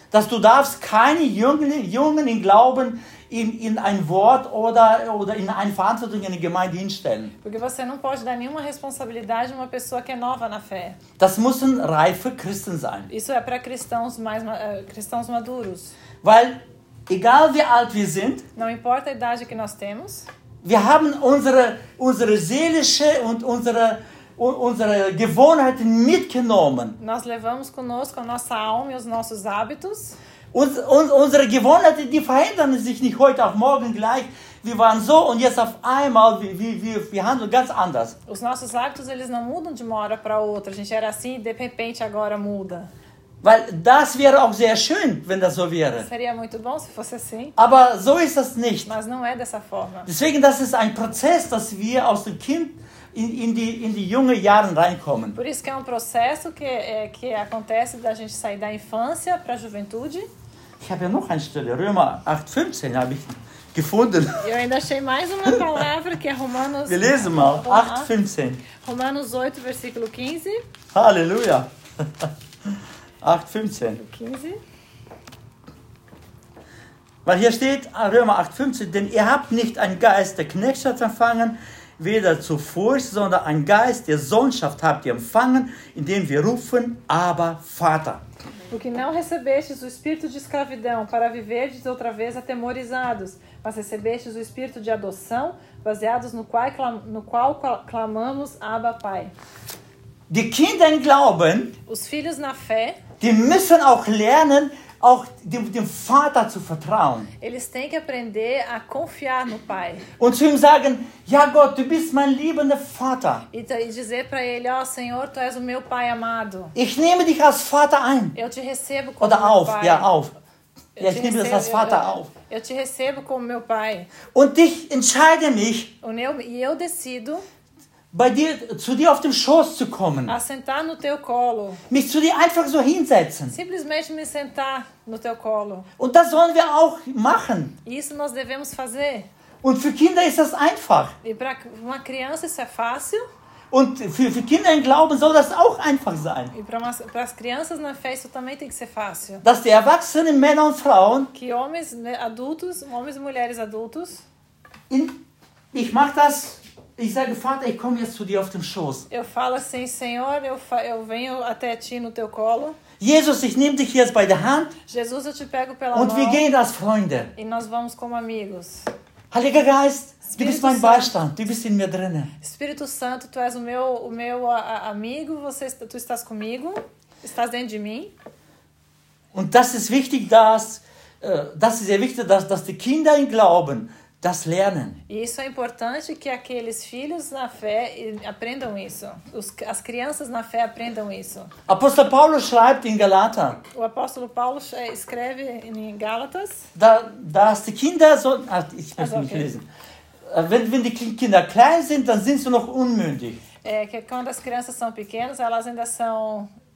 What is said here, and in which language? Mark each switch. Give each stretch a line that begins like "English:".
German: Dass du darfst keine Jungen im Glauben in ein Wort oder in eine Verantwortung in der Gemeinde hinstellen.
Portuguese: Porque você não pode dar nenhuma responsabilidade a uma pessoa que é nova na fé.
German: Das müssen reife Christen sein.
Portuguese: Isso é para cristãos cristãos maduros.
German: Weil egal wie alt wir sind,
Portuguese: não importa a idade que nós temos,
German: wir haben unsere seelische und unsere Gewohnheiten mitgenommen.
Portuguese: Nós levamos conosco a nossa alma e os nossos hábitos.
German: Unsere Gewohnheiten, die verändern sich nicht heute auf morgen gleich. Wir waren so und jetzt auf einmal wir handeln ganz anders.
Portuguese: Os nossos hábitos, eles não mudam de uma hora para outra. A gente era assim e de repente agora muda.
German: Weil das wäre auch sehr schön, wenn das so wäre.
Portuguese: Seria muito bom se fosse assim.
German: Aber so ist das nicht.
Portuguese: Mas não é dessa forma.
German: Deswegen, das ist ein Prozess, dass wir aus dem Kind in die jungen Jahren reinkommen.
Portuguese: Por isso que é um processo que acontece da gente sair da infância para a juventude.
German: Ich habe ja noch eine Stelle, Römer 8:15 habe ich gefunden.
Portuguese: Eu ainda achei mais uma palavra que é Romanos.
German: Wir lesen mal 8:15.
Portuguese: Romanos 8 versículo 15.
German: Halleluja. 8:15. 15. Weil hier steht Römer 8:15, denn ihr habt nicht einen Geist der Knechtschaft empfangen, weder zu Furcht, sondern ein Geist der Sohnschaft habt ihr empfangen, indem wir rufen, aber Vater.
Portuguese: Porque não recebestes o espírito de escravidão para viverdes outra vez atemorizados, mas recebestes o espírito de adoção, baseados no qual clamamos, Abba, Pai.
German: Die Kinder im Glauben,
Portuguese: os filhos na fé,
German: die müssen auch lernen, auch dem Vater zu vertrauen.
Portuguese: Eles têm que aprender a confiar no Pai.
German: Und zu ihm sagen, ja Gott, du bist mein liebender Vater.
Portuguese: E dizer para ele, ó Senhor, tu és o meu Pai amado.
German: Ich nehme dich als Vater ein.
Portuguese: Eu te recebo como meu
German: auf, Pai. Oder auf, ja, auf. Ich nehme dich als Vater auf.
Portuguese: Eu te recebo como meu Pai.
German: Und ich entscheide mich.
Portuguese: Und eu decido.
German: Bei dir, zu dir auf dem Schoß zu kommen.
Portuguese: A sentar no teu colo.
German: Mich zu dir einfach so hinsetzen.
Portuguese: Simplesmente me sentar no teu colo.
German: Und das sollen wir auch machen.
Portuguese: Isso nós devemos fazer.
German: Und für Kinder ist das einfach.
Portuguese: E para uma criança isso é fácil.
German: Und für Kinder im Glauben soll das auch einfach sein.
Portuguese: E para as crianças na fé isso também tem que ser fácil.
German: Dass die erwachsenen Männer und Frauen.
Portuguese: Que homens e mulheres adultos.
German: Ich mach das. Ich sage, Vater, ich komme jetzt zu dir auf dem Schoß.
Portuguese: Eu falo assim, Senhor, eu venho até ti no teu colo.
German: Jesus, ich nehme dich jetzt bei der Hand.
Portuguese: Jesus, eu te pego pela
German: und
Portuguese: mão.
German: Wir gehen als Freunde.
Portuguese: E nós vamos como amigos.
German: Heiliger Geist, Espírito du bist mein Beistand. Du bist in mir drinnen.
Portuguese: Espírito Santo, tu és o meu amigo. Tu estás comigo. Estás dentro de mim.
German: Und das ist wichtig, dass das ist sehr wichtig, dass die Kinder im Glauben das lernen.
Portuguese: Isso é importante que aqueles filhos na fé aprendam isso. As crianças na fé aprendam isso.
German: Apóstolo Paulo schreibt in Galater.
Portuguese: O apóstolo Paulo escreve em Gálatas.
German: Dass die Kinder so, ich muss nicht lesen. Wenn die Kinder klein sind, dann sind sie noch unmündig.
Portuguese: É que quando as crianças são pequenas, elas ainda são